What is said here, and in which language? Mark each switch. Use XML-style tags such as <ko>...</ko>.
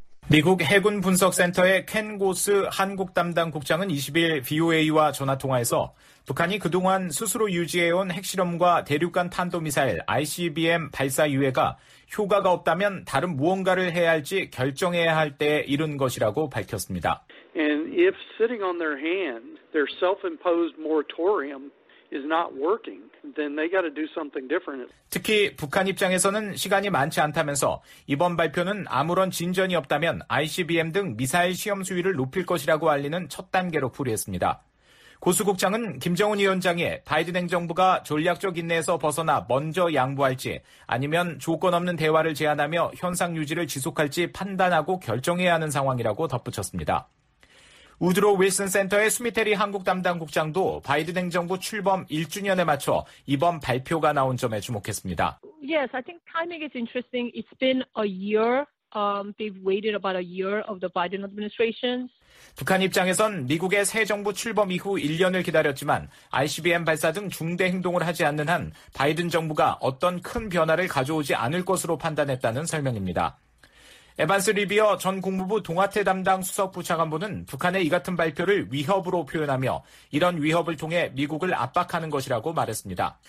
<ko>미국 해군 분석센터의 켄 고스 한국 담당 국장은 20일 VOA와 전화통화에서 북한이 그동안 스스로 유지해온 핵실험과 대륙간 탄도미사일 ICBM 발사 유예가 효과가 없다면 다른 무언가를 해야 할지 결정해야 할 때에 이른 것이라고 밝혔습니다.</ko> <en>And if sitting on their hand, their self-imposed moratorium is not working, then they got to do something different.</en> <ko>특히 북한 입장에서는 시간이 많지 않다면서 이번 발표는 아무런 진전이 없다면 ICBM 등 미사일 시험 수위를 높일 것이라고 알리는 첫 단계로 풀이했습니다. 고수 국장은 김정은 위원장이 바이든 행정부가 전략적 인내에서 벗어나 먼저 양보할지 아니면 조건 없는 대화를 제안하며 현상 유지를 지속할지 판단하고 결정해야 하는 상황이라고 덧붙였습니다. 우드로 윌슨 센터의 수미테리 한국 담당 국장도 바이든 행정부 출범 1주년에 맞춰 이번 발표가 나온 점에 주목했습니다.</ko> <en>Yes, I think timing is interesting. It's been a year. They've waited about a year of the Biden administration.</en> <ko>북한 입장에선 미국의 새 정부 출범 이후 1년을 기다렸지만 ICBM 발사 등 중대 행동을 하지 않는 한 바이든 정부가 어떤 큰 변화를 가져오지 않을 것으로 판단했다는 설명입니다. 에반스 리비어 전 국무부 동아태 담당 수석부차관보는 북한의 이 같은 발표를 위협으로 표현하며 이런 위협을 통해 미국을 압박하는 것이라고 말했습니다.</ko>